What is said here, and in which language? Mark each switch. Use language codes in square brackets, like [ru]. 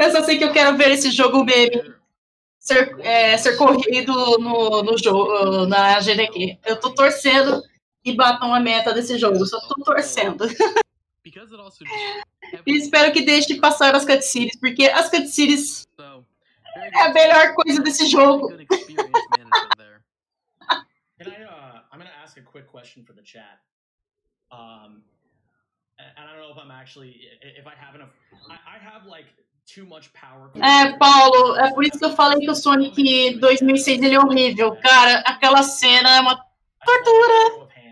[pt] Eu só sei que eu quero ver esse jogo meme ser corrido no jogo, na GDQ. Eu tô torcendo e batam a meta desse jogo, só tô torcendo. E espero que deixe passar as cutscenes, porque as cutscenes é a melhor coisa desse jogo. [en] I'm gonna ask a quick question for the chat. And I don't know if I'm actually, if I have enough, I have like too much power. [pt] Paulo, é por isso que eu falei que o Sonic 2006 ele é horrível. Cara, aquela cena é uma tortura.